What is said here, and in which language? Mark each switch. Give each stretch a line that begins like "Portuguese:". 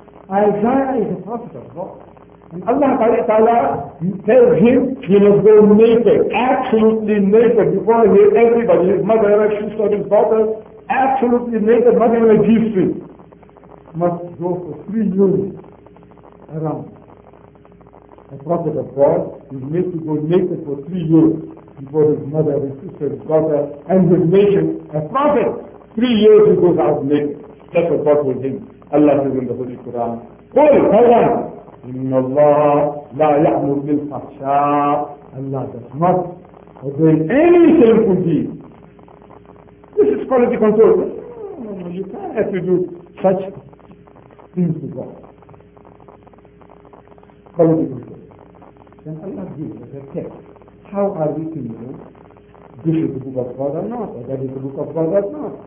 English: Isaiah is a prophet of God. And Allah Ta'ala tells him he must go naked, absolutely naked, before him, everybody, his mother, his sister, his daughter, absolutely naked, not even a G-string, must go for 3 years around. The prophet of God is made to go naked for 3 years before his mother, his sister, his daughter, and his nation. A prophet, 3 years he goes out naked. That's what God told him. Allah says in the Holy Quran, holy, hold on.
Arabic: إن الله لا يأمر بالفحشاء.
English: Allah does not obey any sinful deed. This is quality control. You can't have to do such things to God. Quality control. Then Allah gives us a test. How are we to know this is the book of God or not, or that is the book of God or not?